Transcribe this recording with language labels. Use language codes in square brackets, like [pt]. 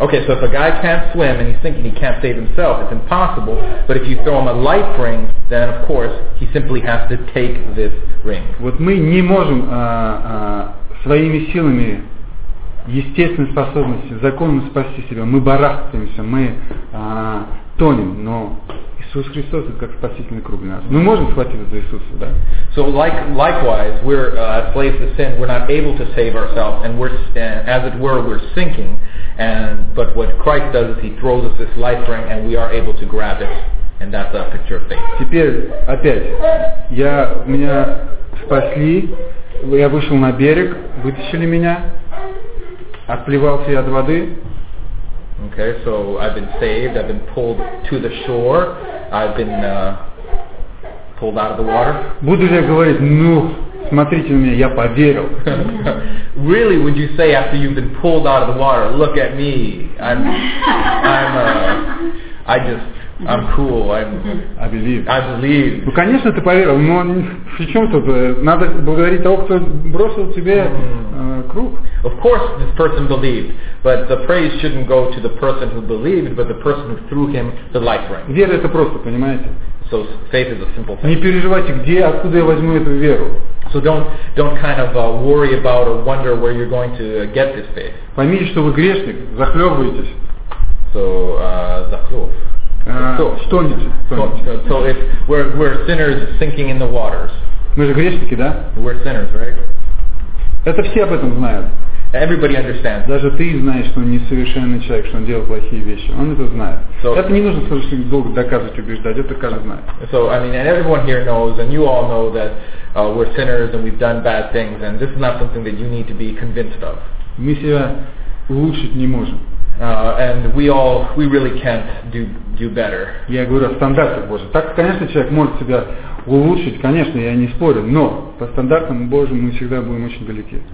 [en] Okay, so if a guy can't swim and he's thinking he can't save himself, it's impossible. But if you throw him a life ring, then of course he simply has to take this ring. [ru] Вот мы не можем своими силами, естественной способностью, законом спасти себя. Мы барахтаемся, мы тонем, но Иисус Христос это как спасительный круг для нас. Мы можем схватиться за Иисуса, да? [en] So likewise, we're slaves to sin. We're not able to save ourselves, and we're, as it were, we're sinking. But what Christ does is He throws us this life ring, and we are able to grab it. And that's a picture of faith. [ru] Теперь опять меня спасли. Я вышел на берег, вытащили меня, отплевался я от воды. [en] Okay, so I've been saved. I've been pulled to the shore. I've been pulled out of the water. [ru] Буду ли я говорить, ну, смотрите на меня, я поверил. [en] Really, would you say after you've been pulled out of the water, look at me, I'm cool, I believe. [ru] Ну, конечно, ты поверил, но при чем тут? Надо благодарить того, кто бросил тебе круг. [en] Of course, this person believed, but the praise shouldn't go to the person who believed, but the person who threw him the life ring. [ru] Вера это просто, понимаете? [en] So faith is a simple thing. [ru] Не переживайте, где, откуда я возьму эту веру. [en] So don't kind of worry about or wonder where you're going to get this faith. [ru] Поймите, что вы грешник, захлебываетесь. [en] So [ru] захлеб. Стонете. [en] So if we're sinners sinking in the waters. [ru] Мы же грешники, да? [en] We're sinners, right? [ru] Это все об этом знают. [en] Everybody understands. [ru] Даже ты знаешь, что он несовершенный человек, что он делает плохие вещи. Он это знает. [en] So, [ru] это не нужно слушать долго доказывать, убеждать. Это каждый знает. [en] So I mean, and everyone here knows, and you all know that we're sinners and we've done bad things, and this is not something that you need to be convinced of. [ru] Мы себя улучшить не можем. [en] And we really can't do better. [ru] Я говорю о стандартах Божьих. Так, конечно, человек может себя улучшить, конечно, я не спорю, но по стандартам Божьим мы всегда будем очень далеки.